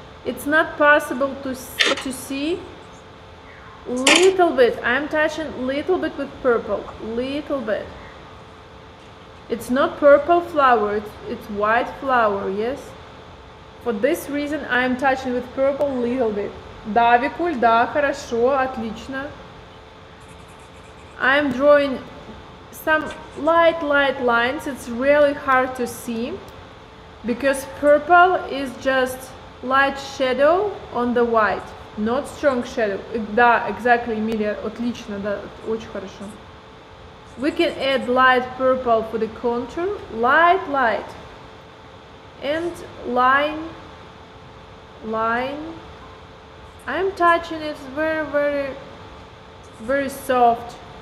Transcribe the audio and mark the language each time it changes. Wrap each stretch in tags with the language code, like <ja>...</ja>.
<en>It's not possible to see little bit. I'm touching little bit with purple, little bit. It's not purple flower, it's white flower, yes? For this reason I'm touching with purple little bit.</en> <ru>Да, Викуль, да, хорошо, отлично.</ru> <en>I'm drawing some light lines. It's really hard to see because purple is just light shadow on the white, not strong shadow. Да, exactly, Emilia.</en> <ru>Отлично, да, очень хорошо.</ru> <en>We can add light purple for the contour. Light. And line. I'm touching it very soft.</en>